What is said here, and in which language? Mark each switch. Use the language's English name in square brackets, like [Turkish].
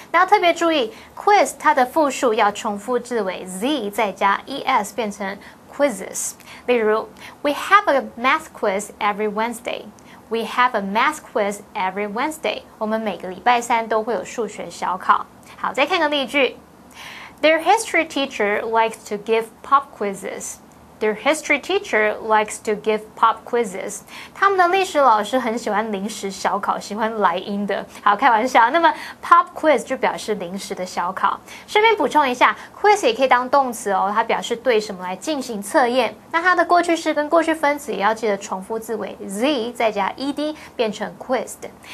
[Chinese] 那要特别注意 quiz 它的复数要重复字尾 z 再加 es 变成 quizzes。例如 [English] ，We have a math quiz every Wednesday. We have a math quiz every Wednesday. [Chinese] 我们每个礼拜三都会有数学小考。好，再看个例句。 [English] Their history teacher likes to give pop quizzes. Their history teacher likes to give pop quizzes. [Chinese] 他们的历史老师很喜欢临时小考，喜欢来音的。好，开玩笑。那么 pop quiz 就表示临时的小考。顺便补充一下 ，quiz 也可以当动词哦，它表示对什么来进行测验。那它的过去式跟过去分词也要记得重复字尾 z 再加 ed 变成 quizzed。